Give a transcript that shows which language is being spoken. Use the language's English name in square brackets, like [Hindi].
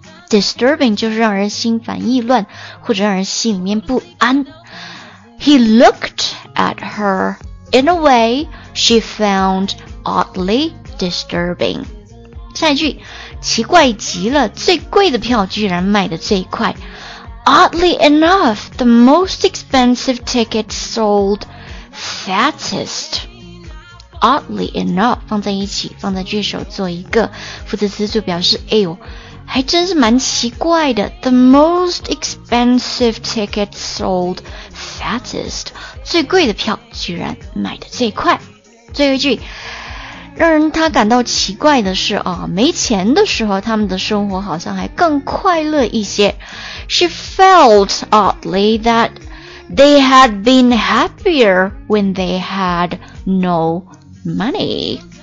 [Chinese] Disturbing 就是让人心烦意乱或者让人心里面不安。 [English] He looked at her in a way she found oddly disturbing. [Chinese] 下一句，奇怪极了，最贵的票居然卖得最快。 [English] Oddly enough, the most expensive ticket sold fastest. [Chinese] oddly enough 放在一起，放在句首做一个副词词组，表示哎呦还真是蛮奇怪的。 [English] The most expensive ticket sold fastest， [Chinese] 最贵的票居然买的最快。最后一句让他感到奇怪的是啊，没钱的时候他们的生活好像还更快乐一些。 [English] She felt oddly that they had been happier when they had no money。